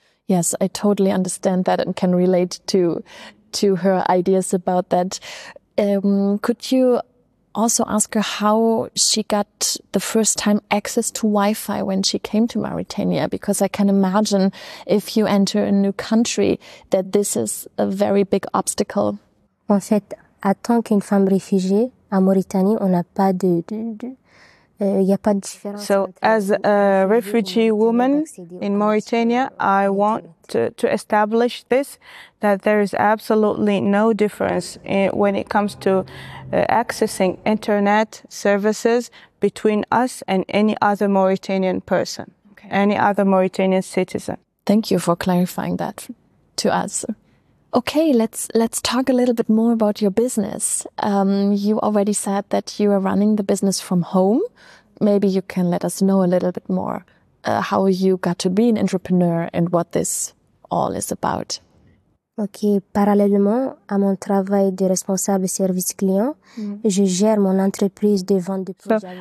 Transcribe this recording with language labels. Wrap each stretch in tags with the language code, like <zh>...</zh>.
<en>Yes, I totally understand that and can relate to her ideas about that. Could you also ask her how she got the first time access to Wi-Fi when she came to Mauritania? Because I can imagine if you enter a new country that this is a very big obstacle.</en> <fr>En fait, en tant qu'une femme réfugiée à Mauritanie, on n'a pas de il y a pas de différence.</fr> <en>So as a refugee woman in Mauritania, I want to establish this, that there is absolutely no difference when it comes to accessing internet services between us and any other Mauritanian person, okay. Any other Mauritanian citizen. Thank you for clarifying that to us. Okay, let's talk a little bit more about your business. You already said that you are running the business from home. Maybe you can let us know a little bit more how you got to be an entrepreneur and what this all is about.</en> <fr>Okay, parallèlement à mon travail de responsable service client, je gère mon entreprise de vente de produits.</fr>